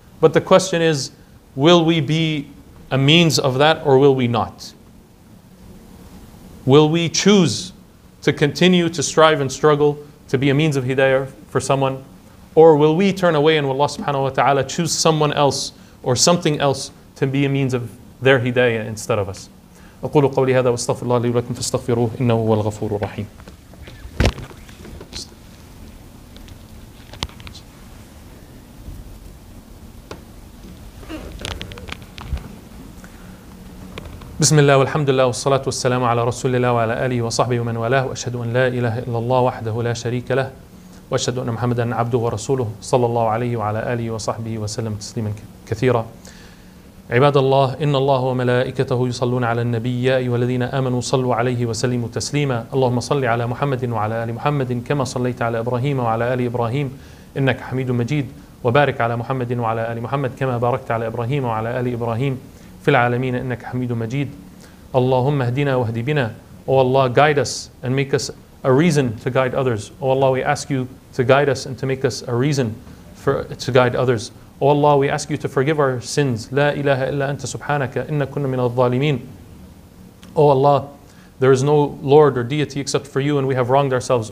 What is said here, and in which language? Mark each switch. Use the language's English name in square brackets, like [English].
[English] But the question is, will we be a means of that or will we not? Will we choose to continue to strive and struggle to be a means of hidayah for someone? Or will we turn away and will Allah subhanahu wa ta'ala choose someone else or something else to be a means of their hidayah instead of us? [Arabic] أقول قولي هذا واستغفر الله لي ولكم فاستغفروه إنه هو الغفور الرحيم. بسم الله والحمد لله والصلاة والسلام على رسول الله وعلى آله وصحبه ومن والاه. وأشهد أن لا إله إلا الله وحده لا شريك له, وأشهد أن محمدا عبده ورسوله صلى الله عليه وعلى آله وصحبه وسلم تسليما كثيرا. عباد الله, إن الله وملائكته يصلون على النبي, يا أيها الذين آمنوا صلوا عليه وسلموا تسليما. اللهم صل على محمد وعلى آل محمد كما صليت على إبراهيم وعلى آل إبراهيم إنك حميد مجيد, وبارك على محمد وعلى آل محمد كما باركت على إبراهيم وعلى آل إبراهيم في العالمين إنك حميد مجيد. اللهم اهدنا واهد بنا. [English] Oh Allah, guide us and make us a reason to guide others. Oh Allah, we ask you to guide us and to make us a reason to guide others. O Allah, we ask you to forgive our sins. [Arabic] La ilaha illa anta subhanaka inna kunna min al-zalimin. [English] O Allah, there is no Lord or deity except for you and we have wronged ourselves.